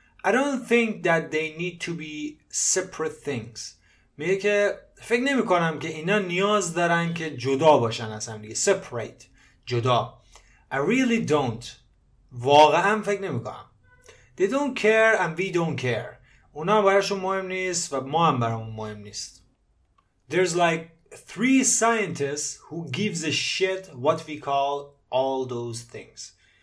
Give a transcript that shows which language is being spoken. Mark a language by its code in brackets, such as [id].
[en] I don't think that they need to be separate things. [fa] میگه که فکر نمی کنم که اینا نیاز دارن که جدا باشن از هم دیگه. [en] Separate. [fa] جدا. [en] I really don't. [fa] واقعا فکر نمی کنم. [en] They don't care and we don't care. [fa] اونا براشون مهم نیست و ما هم برامون مهم نیست. [en] There's like three scientists who gives a shit what we call all those things.